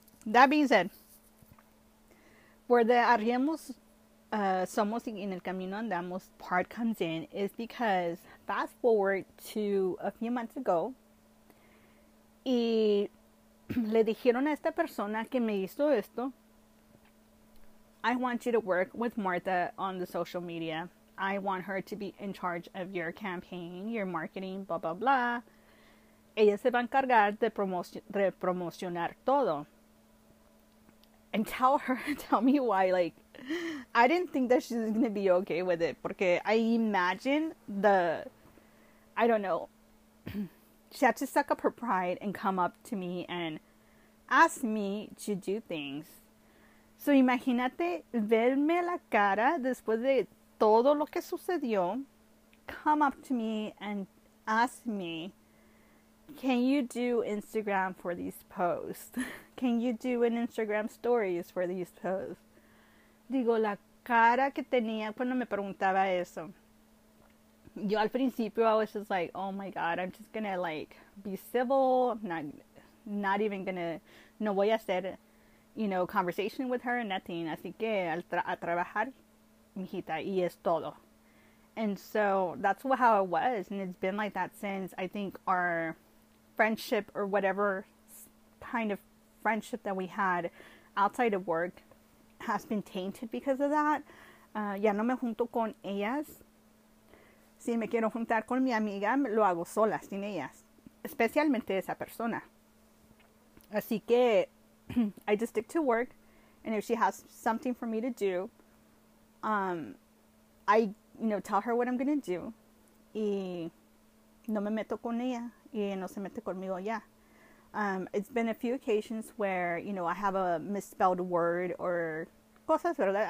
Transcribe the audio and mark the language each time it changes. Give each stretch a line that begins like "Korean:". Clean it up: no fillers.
English: That being said, where the
Spanish: arriemos somos y en el camino andamos
English: part comes in is because fast forward to a few months ago,
Spanish: y le dijeron a esta persona que me hizo esto,
English: I want you to work with Martha on the social media. I want her to be in charge of your campaign, your marketing, blah, blah, blah.
Spanish: Ella se va a encargar de promocionar todo.
English: And tell me why, like, I didn't think that she was going to be okay with it.
Spanish: Porque
English: I imagine she had to suck up her pride and come up to me and ask me to do things. So
Spanish: imagínate verme la cara después de todo lo que sucedió,
English: come up to me and ask me, can you do Instagram for these posts? Can you do an Instagram stories for these posts?
Spanish: Digo, la cara que tenía cuando me preguntaba eso. Yo al principio,
English: I was just like, oh my God, I'm just gonna, like, be civil. Not even gonna,
Spanish: no voy a hacer,
English: you know, conversation with her, nothing.
Spanish: Así que a trabajar. Mijita, y es todo.
English: And so that's how it was, and it's been like that since. I think our friendship, or whatever kind of friendship that we had outside of work, has been tainted because of that.
Spanish: Ya no me junto con ellas. Si me quiero juntar con mi amiga, lo hago sola, sin ellas, especialmente esa persona. Así que
English: I just stick to work, and if she has something for me to do, I, you know, tell her what I'm going to do,
Spanish: y no me meto con ella, y no se mete conmigo ya.
English: It's been a few occasions where, you know, I have a misspelled word or
Spanish: cosas, ¿verdad?